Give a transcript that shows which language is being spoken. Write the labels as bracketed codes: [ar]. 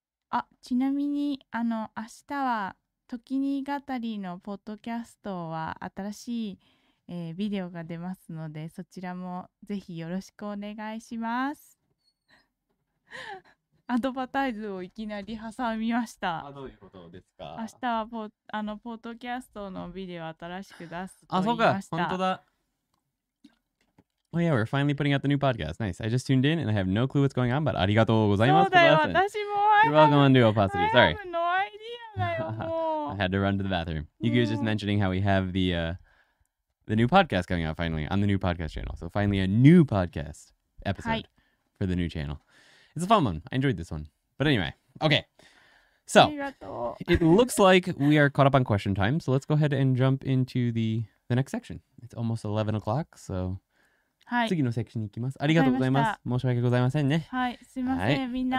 [ja] あ、ちなみに明日はTOKINI語りのポッドキャストは新しいビデオが出ますので、そちらもぜひよろしくお願いします。アドバタイズをいきなり挟みました。あ、どういうことですか。明日はポッドキャストのビデオ新しく出すと言いました。あ、そうか、本当だ。 [en] Oh yeah, we're finally putting out the new podcast. Nice. I just tuned in and I have no clue what's going on, but [ja] ありがとうございます。そうだよ、私も。 [en] You're welcome on New Opacity. Sorry. I have no idea [ja] だよ、もう。 [en] I had to run to the bathroom. Yuki was just mentioning how we have the new podcast coming out finally on the new podcast channel. So finally a new podcast episode for the new channel. It's a fun one. I enjoyed this one. But anyway, okay. So it looks like we are caught up on question time. So let's go ahead and jump into the next section. It's almost 11 o'clock. [ja] So 次のセクションに行きます。ありがとうございます。申し訳ございませんね。はい、すいません、みんな。